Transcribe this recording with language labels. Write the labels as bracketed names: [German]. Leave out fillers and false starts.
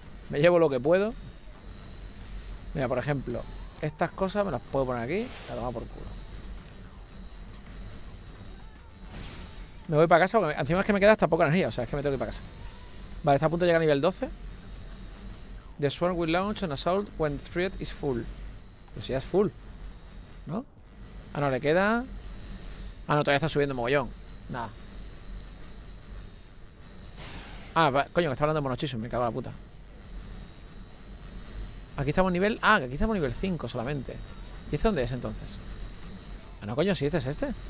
[Spanish] Me llevo lo que puedo. Mira, por ejemplo, estas cosas me las puedo poner aquí, la toma por culo. Me voy para casa porque encima es que me queda hasta poca energía, o sea, es que me tengo que ir para casa. Vale, está a punto de llegar a nivel 12. [English] The swarm will launch an assault when threat is full. [Spanish] Pues ya es full, ¿no? Ah, no, le queda... Ah, no, todavía está subiendo mogollón. Nada. Ah, va, coño, que está hablando de Monochisum, me cago en la puta. Aquí estamos nivel... Ah, aquí estamos nivel 5 solamente. ¿Y este dónde es entonces? Ah, no, coño, si este es este.